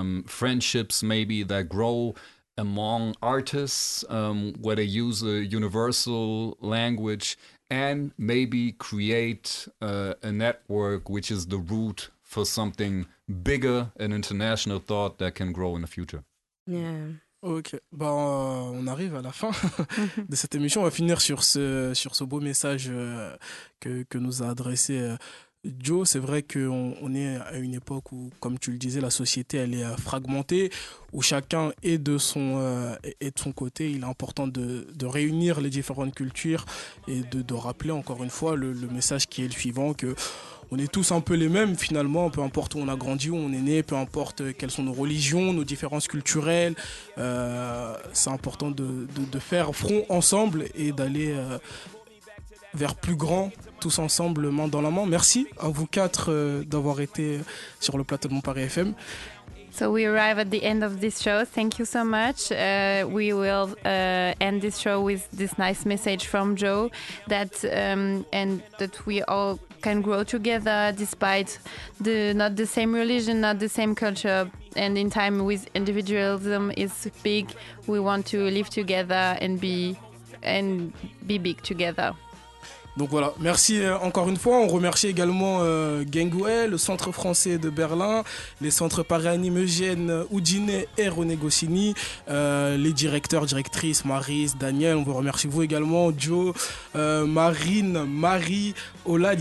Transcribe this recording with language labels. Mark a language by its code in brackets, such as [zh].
[en] friendships maybe that grow among artists, where they use a universal language and maybe create a network which is the root for something bigger, an international thought that can grow in the future. Yeah. [fr] Ok, bon, on arrive à la fin de cette émission. On va finir sur ce beau message que nous a adressé Joe. C'est vrai qu'on est à une époque où, comme tu le disais, la société elle est fragmentée, où chacun est de son côté. Il est important de réunir les différentes cultures et de rappeler encore une fois le message qui est le suivant, que on est tous un peu les mêmes finalement, peu importe où on a grandi, où on est né, peu importe quelles sont nos religions, nos différences culturelles. C'est important de faire front ensemble et d'aller vers plus grand, tous ensemble, main dans la main. Merci à vous quatre d'avoir été sur le plateau de Montparnasse FM. [en] So we arrive at the end of this show. Thank you so much. We will end this show with this nice message from Joe that we all can grow together despite not the same religion, not the same culture. And in time with individualism is big, we want to live together and be big together. [fr] Donc voilà, merci encore une fois. On remercie également Gengue, le Centre français de Berlin, les centres Paris-Anime, Eugène, Houdinet et René Goscinny, les directeurs, directrices, Maris, Daniel. On vous remercie, vous également, Joe, Marine, Marie, Olad.